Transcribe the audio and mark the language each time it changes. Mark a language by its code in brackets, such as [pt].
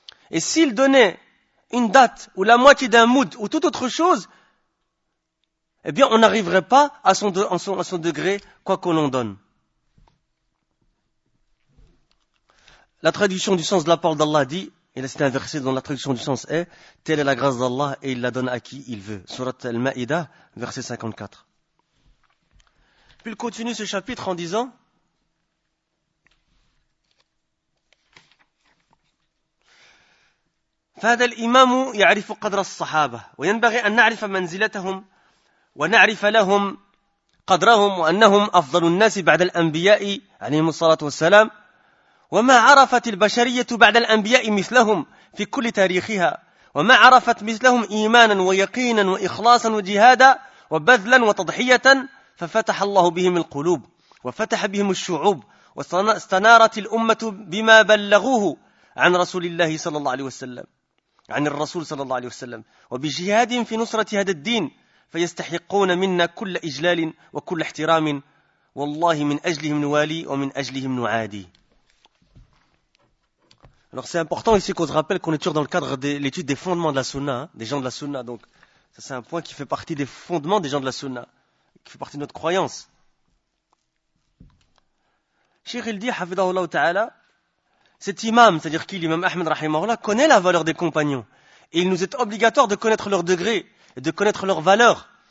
[fr] Et s'ils donnaient une date, ou la moitié d'un moud, ou toute autre chose, eh bien, on n'arriverait pas à son degré, quoi qu'on en donne. La traduction du sens de la parole d'Allah dit, et là c'est un verset dont la traduction du sens est, « Telle est la grâce d'Allah et il la donne à qui il veut. » Surat al-Ma'idah, verset 54. Puis il continue ce chapitre en disant, [ar] فهذا الإمام يعرف قدر الصحابة وينبغي أن نعرف منزلتهم ونعرف لهم قدرهم وأنهم أفضل الناس بعد الأنبياء عليهم الصلاة والسلام وما عرفت البشرية بعد الأنبياء مثلهم في كل تاريخها وما عرفت مثلهم إيمانا ويقينا وإخلاصا وجهادا وبذلا وتضحية ففتح الله بهم القلوب وفتح بهم الشعوب واستنارت الأمة بما بلغوه عن رسول الله صلى الله عليه وسلم عن الرسول صلى الله عليه وسلم وبجهاد في نصرة هذا الدين فيستحقون منا كل إجلال وكل احترام والله من أجلهم نوالي ومن أجلهم نعادي. [fr] Alors c'est important ici qu'on se rappelle qu'on est toujours dans le cadre de l'étude des fondements de la Sunna, hein, des gens de la Sunna. Donc ça c'est un point qui fait partie des fondements des gens de la Sunna, qui fait partie de notre croyance. Cheikh il dit, [ar] حفظه الله تعالى, [fr] cet imam, c'est-à-dire qui, l'imam Ahmed rahimahullah, connaît la valeur des compagnons. Et il nous est obligatoire de connaître leur degré et de connaître leur valeur.